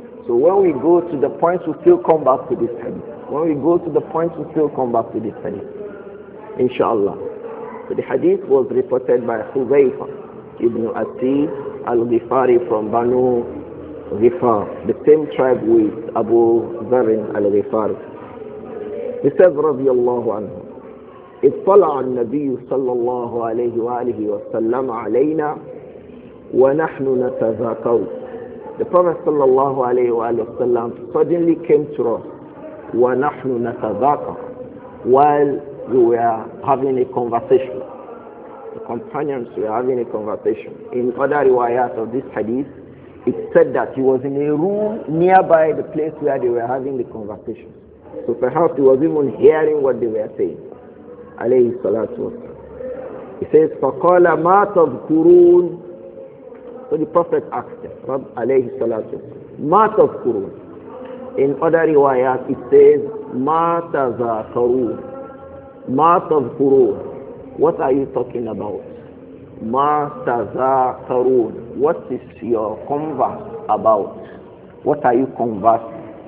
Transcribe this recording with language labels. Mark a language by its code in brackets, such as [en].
[en] So when we go to the points, we'll still come back to this hadith. When we go to the point, we still come back to this hadith, inshallah. So the hadith was reported by Hudhayfa ibn Asid al-Ghifari from Banu Ghifar, the same tribe with Abu Dharr al-Ghifari. He says, [ar] radiyallahu anhu, اطلع النبي صلى الله عليه وآله وسلم علينا ونحن نتذاكر. [en] The Prophet [ar] صلى الله عليه وآله وسلم [en] suddenly came to us. [ar] وَنَحْنُ نَتَذَاكَرْ, [en] while we were having a conversation. The companions were having a conversation. In other riwayat of this hadith, it said that he was in a room nearby the place where they were having the conversation. So perhaps he was even hearing what they were saying. [ar] عليه الصلاة والسلام. [en] He says, [ar] فَقَالَ مَا تَذْكُرُونَ. [en] So the Prophet asked him, [ar] رب عليه الصلاة والسلام, مَا تَذْكُرُونَ. [en] In other riwayat, it says, [ar] مَا تَذَاكَرُونَ, مَا تَذْكُرُونَ. [en] What are you talking about? [ar] مَا تَذَاكَرُونَ. [en] What is your converse about? What are you conversing?